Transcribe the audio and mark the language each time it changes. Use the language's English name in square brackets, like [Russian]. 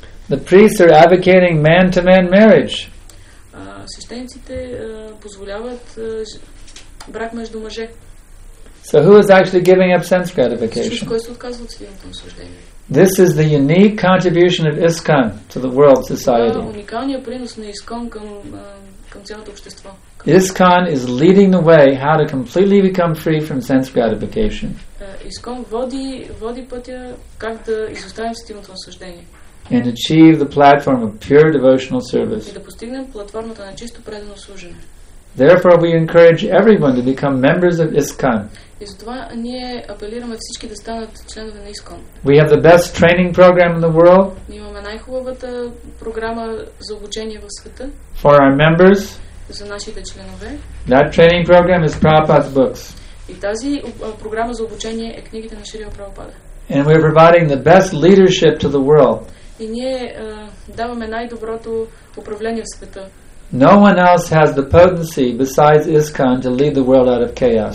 [English] The priests are advocating man-to-man marriage. [Bulgarian] Свещениците позволяват брак между мъже. [English] So who is actually giving up sense gratification? [Bulgarian] Кой се отказва от сетивното наслаждение? [English] This is the unique contribution of ISKCON to the world society. [Bulgarian] Това е уникалният принос на ИСКОН към цялото общество. [English] ISKCON is leading the way how to completely become free from sense gratification. [Bulgarian] ISKCON води пътя как да изоставим сетивното наслаждение. [English] And achieve the platform of pure devotional service. [Bulgarian] И да постигнем платформата на чисто предано служене. [English] Therefore, we encourage everyone to become members of ISKCON. [Bulgarian] И затова ние апелираме всички да станат членове на ISKCON. [English] We have the best training program in the world. [Bulgarian] Имаме най-хубавата програма за обучение в света. [English] For our members. [Bulgarian] За нашите членове. [English] That training program is Prabhupada's books. [Bulgarian] И тази програма за обучение е книгите на Шрила Прабхупада. [English] And we are providing the best leadership to the world. [Bulgarian] И ние даваме най-доброто управление в света. [English] No one else has the potency besides ISKCON to lead the world out of chaos.